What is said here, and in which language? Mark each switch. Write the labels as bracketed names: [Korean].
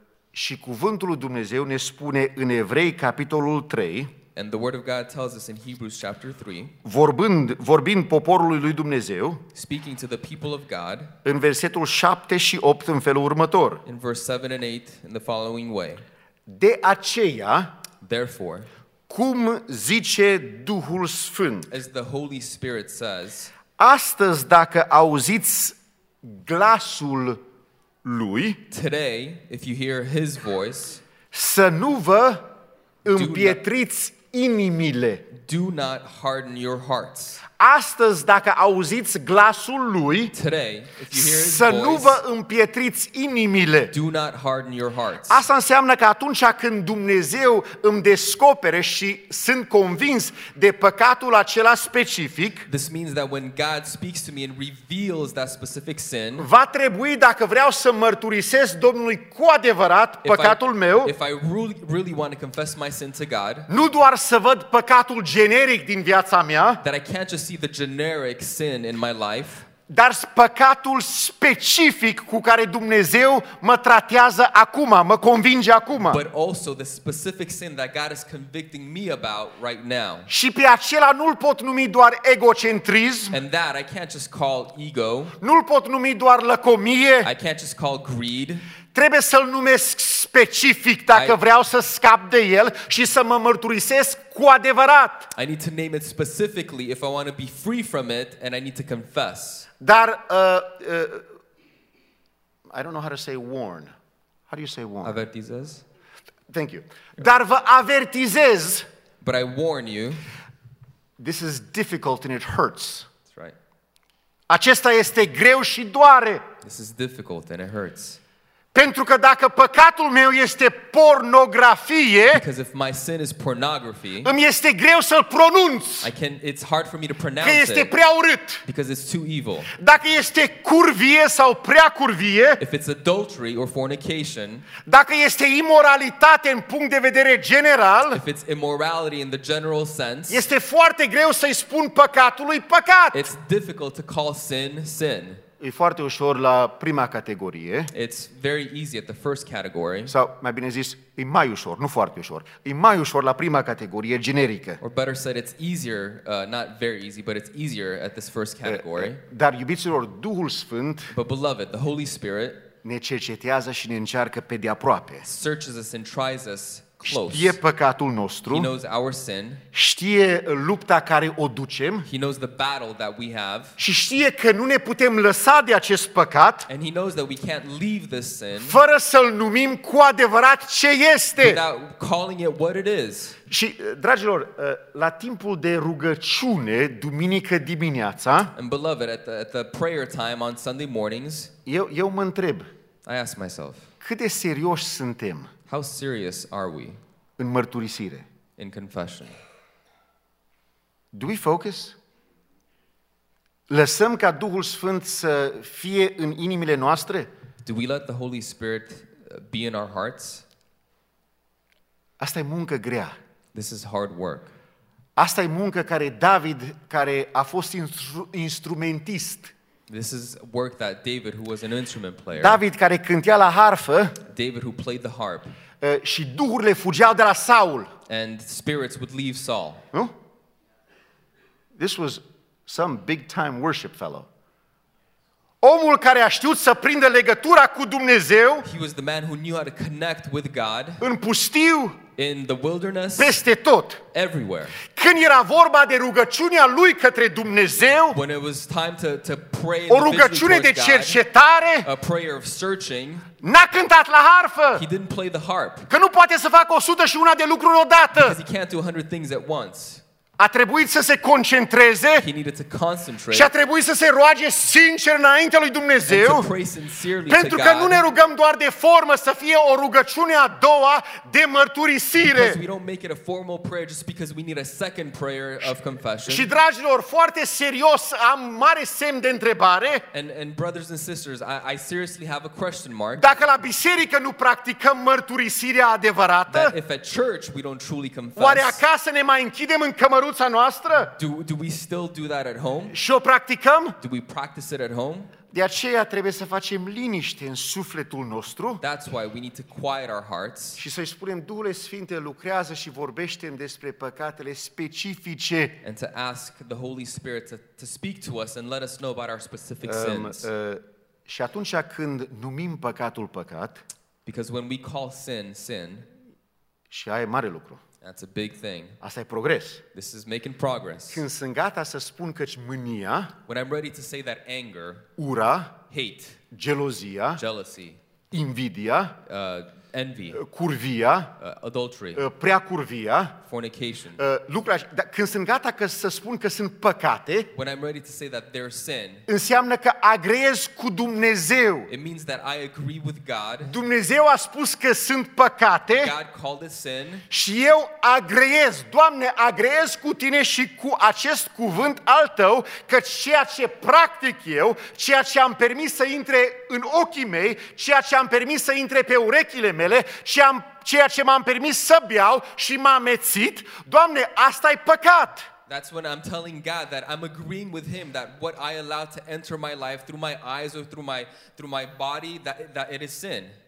[Romanian] Și cuvântul lui Dumnezeu ne spune în Evrei capitolul 3, [English] and the word of God tells us in Hebrews chapter 3, [Romanian] vorbind poporului lui Dumnezeu, [English] speaking to the people of God, [Romanian] în versetul 7 și 8 în felul următor, [English] in verse 7 and 8 in the following way, [Romanian] de aceea, [English] therefore, [Romanian] cum zice Duhul Sfânt, [English] as the Holy Spirit says, [Romanian] astăzi dacă auziți glasul lui, [English] today if you hear his voice, [Romanian] să nu vă împietriți inimile. [English] Do not harden your hearts. [Romanian] Astăzi dacă auziți glasul lui, [English] today, [Romanian] să [English] voice, [Romanian] nu vă împietriți inimile. [English] Do not harden your hearts. [Romanian] Asta înseamnă că atunci când Dumnezeu îmi descopere și sunt convins de păcatul acela specific, [English] this means that when God speaks to me and reveals that specific sin, [Romanian] va trebui, dacă vreau să mărturisesc Domnului cu adevărat păcatul meu, [English] if I really, really want to confess my sin to God, [Romanian] nu doar să văd păcatul generic din viața mea, [English] that I can't just see the generic sin in my life, [Romanian] dar păcatul specific cu care Dumnezeu mă tratează acum, mă convinge acum. [English] But also the specific sin that God is convicting me about right now. [Romanian] Și pe acela nu-l pot numi doar egocentrism. [English] And that I can't just call ego. [Romanian] Nu-l pot numi doar lăcomie. [English] I can't just call greed. [Romanian] Trebuie să-l numesc specific dacă vreau să scap de el și să mă mărturisesc cu adevărat. [English] I need to name it specifically if I want to be free from it and I need to confess. Dar I don't know how to say warn. How do you say warn? [Romanian] Avertizez. [English] Thank you. [Romanian] Dar vă avertizez. [English] But I warn you. This is difficult and it hurts. That's right. [Romanian] Acesta este greu și doare. [English] This is difficult and it hurts. [Romanian] Pentru că dacă păcatul meu este pornografie, [English] because if my sin is pornography, [Romanian] îmi este greu să-l pronunț. [English] It's hard for me to pronounce. [Romanian] Că este prea urât. [English] Because it's too evil. [Romanian] Dacă este curvie sau prea curvie, [English] if it's adultery or fornication, [Romanian] dacă este imoralitate în punct de vedere general, [English] if it's immorality in the general sense, [Romanian] este foarte greu să-i spun păcatului păcat. [English] It's difficult to call sin sin. [Romanian] E foarte ușor la prima categorie. [English] It's very easy at the first category. [Romanian] Sau, mai bine zis, e mai ușor, nu foarte ușor. E mai ușor la prima categorie generică. [English] Or better said, it's easier, not very easy, but it's easier at this first category. [Romanian] Dar iubiților, Duhul Sfânt. [English] But beloved, the Holy Spirit. [Romanian] Ne cercetează și ne încearcă pe de aproape. [English] Searches us and tries us. [Romanian] Știe păcatul nostru. [English] He knows our sin. [Romanian] Știe lupta care o ducem. [English] He knows the battle that we have. [Romanian] Și știe că nu ne putem lăsa de acest păcat. [English] And he knows that we can't leave this sin. [Romanian] Fără să-l numim cu adevărat ce este. [English] Without calling it what it is. [Romanian] Și dragilor, la timpul de rugăciune duminică dimineața, [English] and beloved, at the prayer time on Sunday mornings, [Romanian] eu mă întreb. [English] I ask myself. [Romanian] Cât de serioși suntem? [English] How serious are we? [Romanian] În mărturisire. [English] In confession. Do we focus? [Romanian] Lăsăm ca Duhul Sfânt să fie în inimile noastre? [English] Do we let the Holy Spirit be in our hearts? [Romanian] Asta e muncă grea. [English] This is hard work. [Romanian] Asta e muncă care David, care a fost instrumentist. [English] This is work that David, who was an instrument player. [Romanian] David care cântea la harfă. [English] David who played the harp. [Romanian] Și duhurile fugeau de la Saul. [English] And spirits would leave Saul. Nu? This was some big time worship fellow. [Romanian] Omul care a știut să prindă legătura cu Dumnezeu. [English] He was the man who knew how to connect with God. [Romanian] În pustiu. [English] In the wilderness. [Romanian] Peste tot. [English] Everywhere. [Romanian] Când era vorba de rugăciunea lui către Dumnezeu. [English] When it was time to pray. [Romanian] O rugăciune de cercetare. [English] A prayer of searching. [Romanian] N-a cântat la harfă. [English] He didn't play the harp. [Romanian] Că nu poate să facă 101 de lucruri odată. [English] Because he can't do 100 things at once. [Romanian] A trebuit să se concentreze. [English] He needed to concentrate. [Romanian] Și a trebuit să se roage sincer înaintea lui Dumnezeu. Pentru că nu ne rugăm doar de formă, să fie o rugăciune a doua de mărturisire. [English] Because we don't make it a formal prayer just because we need a second prayer of confession. [Romanian] Și dragilor, foarte serios, am mare semn de întrebare. [English] And brothers and sisters, I seriously have a question mark. [Romanian] Dacă la biserică nu practicăm mărturisirea adevărată, [English] that if at church we don't truly confess, [Romanian] oare acasă ne mai închidem în cămăruță? [English] Do we still do that at home? [Romanian] Și o practicăm? [English] Do we practice it at home? [Romanian] De aceea trebuie să facem liniște în sufletul nostru. [English] That's why we need to quiet our hearts. [Romanian] Și să-i spunem, Duhule Sfinte, lucrează și vorbește-mi despre păcatele specifice. [English] And to ask the Holy Spirit to speak to us and let us know about our specific sins. [Romanian] Și atunci când numim păcatul păcat, [English] because when we call sin sin, [Romanian] și aia e mare lucru. [English] That's a big thing. [Romanian] Asta e progres. [English] This is making progress. [Romanian] Când sunt gata să spun căci mânia, [English] when I'm ready to say that anger, [Romanian] ura, [English] hate, [Romanian] gelozia, [English] jealousy, [Romanian] invidia, [English] envy, [Romanian] curvia, [English] adultery, [Romanian] prea curvia, [English] fornication, [Romanian] când sunt gata că să spun că sunt păcate, [English] when I'm ready to say that they're sin, [Romanian] înseamnă că agreez cu Dumnezeu. [English] It means that I agree with God. [Romanian] Dumnezeu a spus că sunt păcate. [English] God called it sin. [Romanian] Și eu agreez, Doamne, agreez cu tine și cu acest cuvânt al tău, că ceea ce practic eu, ceea ce am permis să intre în ochii mei, ceea ce am permis să intre pe urechile mele și ceea ce m-am permis să beau și m-am amețit, Doamne, asta e păcat. [English] That's when I'm telling God that I'm agreeing with him that what I allow to enter my life through my eyes or through my body that it is sin.